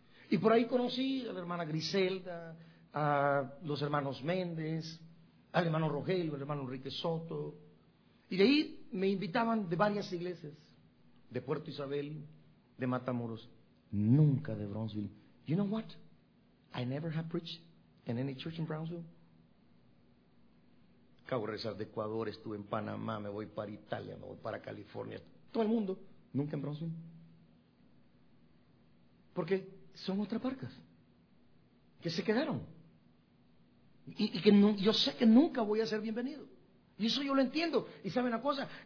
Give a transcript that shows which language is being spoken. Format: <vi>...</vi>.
<es>Y por ahí conocí a la hermana Griselda, a los hermanos Méndez, al hermano Rogelio, al hermano Enrique Soto. Y de ahí me invitaban de varias iglesias, de Puerto Isabel, de Matamoros, nunca de Brownsville.</es> <en>You know what? I never have preached in any church in Brownsville.</en> <es>acabo de regresar de Ecuador, estuve en Panamá, me voy para Italia, me voy para California. Todo el mundo, nunca en Bronson. Porque son otras barcas que se quedaron. Y que no, yo sé que nunca voy a ser bienvenido. Y eso yo lo entiendo. Y ¿sabe una cosa?</es>